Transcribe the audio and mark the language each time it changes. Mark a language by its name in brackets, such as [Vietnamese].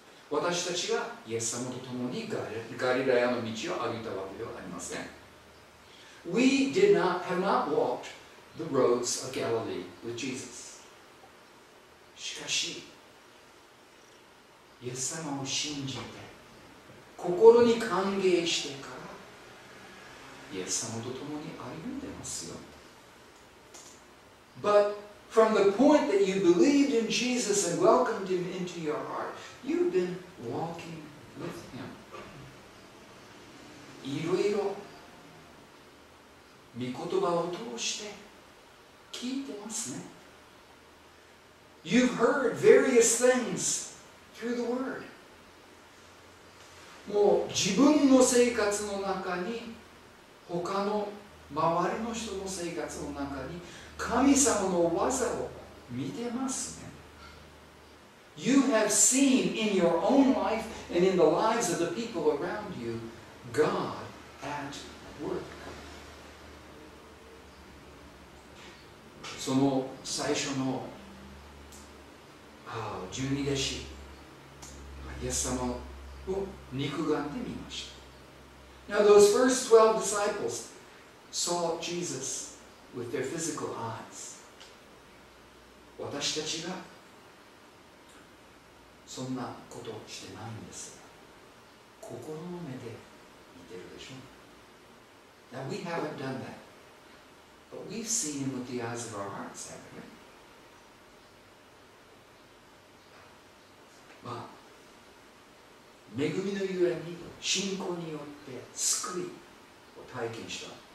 [Japanese] 私たちがイエス様と共にガリラヤの道を歩いたわけではありません。 [English] We did not, have not walked the roads of Galilee with Jesus. [Japanese] しかし、イエス様を信じて、心に歓迎してから、イエス様と共に歩んでますよ。 [English] But from the point that you believed in Jesus and welcomed him into your heart, you've been walking with him. [Japanese] いろいろ御言葉を通して聞いてますね。 [English] You've heard various things through the word. [Japanese] もう自分の生活の中に、他の周りの人の生活の中に、神様の技を見てますね。 [English] You have seen in your own life and in the lives of the people around you God at work. [Japanese] その最初の十二弟子、イエス様を肉眼で見ました。 [English] Now those first 12 disciples saw Jesus. With their physical eyes. [Japanese] 私たちがそんなことをしてないんですが、心の目で見てるでしょ。 [English] Now we haven't done that, but we've seen him with the eyes of our hearts, haven't we? [Japanese] まあ、恵みのゆえに信仰によって救いを体験した。